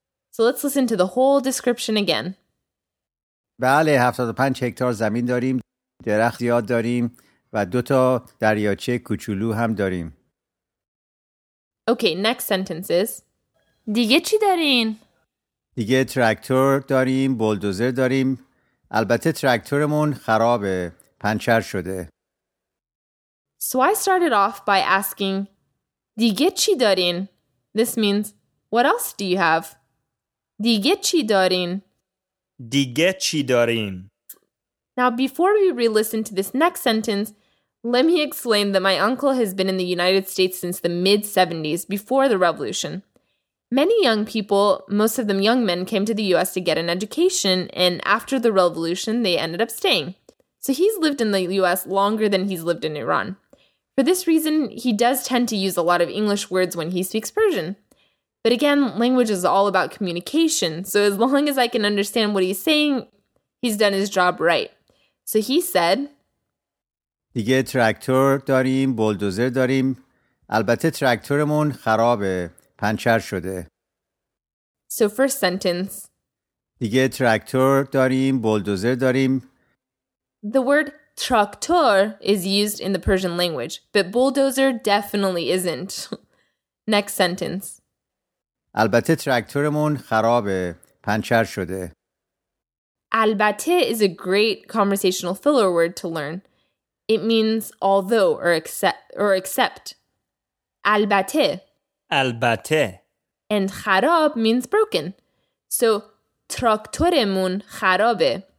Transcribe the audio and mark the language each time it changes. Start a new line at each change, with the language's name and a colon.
English: So let's listen to the whole description again.
Persian: بله 75 هکتار زمین داریم، درخت زیاد داریم و دو تا دریاچه کوچولو هم داریم.
English: Okay, next sentence is.
Persian: دیگه چی دارین؟ دیگه تراکتور داریم، بولدوزر داریم. البته تراکتورمون خرابه، پنچر شده.
English: So I started off by asking,
Persian: دیگه چی دارین؟
English: This means, what else do you have?
Persian: دیگه چی دارین؟ دیگه چی دارین؟
English: Now, before we re-listen to this next sentence, let me explain that my uncle has been in the United States since the mid-70s, before the revolution. Many young people, most of them young men, came to the U.S. to get an education, and after the revolution, they ended up staying. So he's lived in the U.S. longer than he's lived in Iran. For this reason, he does tend to use a lot of English words when he speaks Persian. But again, language is all about communication, so as long as I can understand what he's saying, he's done his job right. So he said,
Persian: دیگه تراکتور داریم، بولدوزر داریم. البته تراکتورمون خرابه، پنچر شده.
English: So first sentence.
Persian: دیگه تراکتور داریم، بولدوزر داریم.
English: The word traktor is used in the Persian language, but bulldozer definitely isn't. Next sentence.
Persian: البته تراکتورمون خرابه، پنچر شده.
English: البته is a great conversational filler word to learn. It means although or except.
Persian: البته.
English: And خراب means broken.
Persian: So تراکتورمون خرابه.